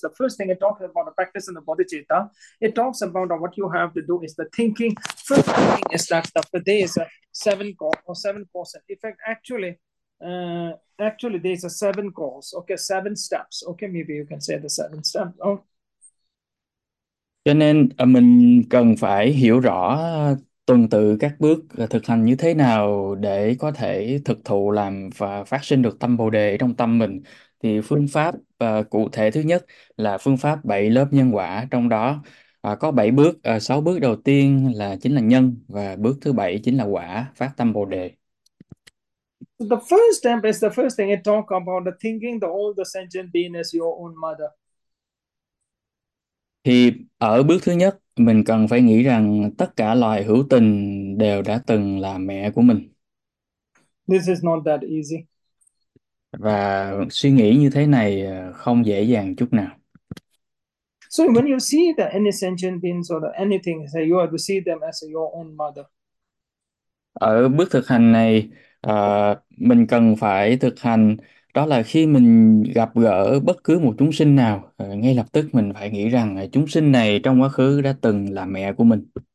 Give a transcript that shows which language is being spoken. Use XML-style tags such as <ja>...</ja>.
<en>The first thing it talks about the practice in the bodhicitta, it talks about what you have to do is the thinking. First thing is that the there is a seven cause or seven causes. In fact, actually there's a seven cause. Okay, seven steps. Okay, maybe you can say the seven steps. Oh.</en> <vi>Cho nên mình cần phải hiểu rõ tuần tự các bước thực hành như thế nào để có thể thực thụ làm và phát sinh được tâm Bồ đề trong tâm mình. Thì phương pháp cụ thể thứ nhất là phương pháp 7 lớp nhân quả, trong đó có 7 bước, 6 bước đầu tiên là chính là nhân, và bước thứ 7 chính là quả, phát tâm Bồ đề.</vi> <en>The first step is the first thing it talk about the thinking the all the sentient being as your own mother.</en> <vi>Thì ở bước thứ nhất, mình cần phải nghĩ rằng tất cả loài hữu tình đều đã từng là mẹ của mình.</vi> <en>This is not that easy.</en> <vi>Và suy nghĩ như thế này không dễ dàng chút nào.</vi> <en>So when you see the any sentient beings or the anything, say you have to see them as your own mother.</en> <vi>Ở bước thực hành này, mình cần phải thực hành, đó là khi mình gặp gỡ bất cứ một chúng sinh nào, ngay lập tức mình phải nghĩ rằng chúng sinh này trong quá khứ đã từng là mẹ của mình.</vi>